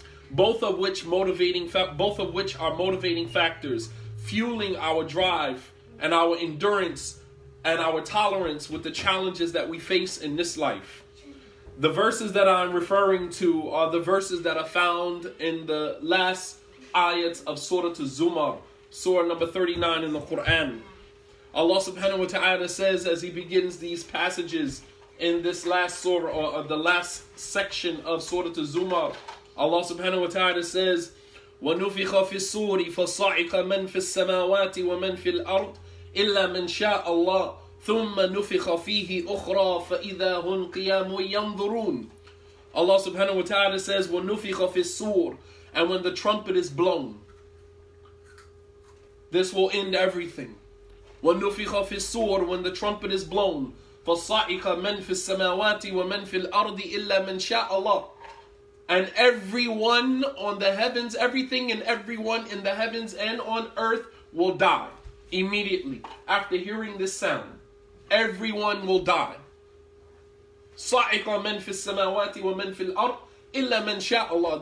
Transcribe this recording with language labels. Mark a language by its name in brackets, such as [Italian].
[English] Both of which are motivating factors, fueling our drive and our endurance and our tolerance with the challenges that we face in this life. The verses that I'm referring to are the verses that are found in the last ayats of Surah to Zumar, Surah number 39 in the Quran. Allah subhanahu wa ta'ala says, as he begins these passages, in this last surah, or the last section of Surah Zumar, Allah subhanahu wa ta'ala says, [Arabic] وَنُفِخَ فِي الصُّورِ فَصَعِقَ مَنْ فِي السَّمَاوَاتِ وَمَنْ فِي الْأَرْضِ إِلَّا مَنْ شَاءَ اللَّهِ ثُمَّ نُفِخَ فِيهِ أُخْرَى فَإِذَا هُمْ قِيَامٌ يَنْظُرُونَ. [English] Allah subhanahu wa ta'ala says, [Arabic] وَنُفِخَ فِي الصُّورِ, [English] and when the trumpet is blown, this will end everything. [Arabic] وَنُفِخَ فِي الصُّورِ, [English] when the trumpet is blown, [Arabic] فَصَعِقَ مَنْ فِي السَّمَاوَاتِ وَمَنْ فِي الْأَرْضِ إِلَّا مَنْ شَاءَ اللَّهِ. [English] And everyone on the heavens, everything and everyone in the heavens and on earth will die immediately after hearing this sound. Everyone will die. [Arabic] صَعِقَ مَنْ فِي السَّمَاوَاتِ وَمَنْ فِي الْأَرْضِ إِلَّا مَنْ شَاءَ اللَّهِ.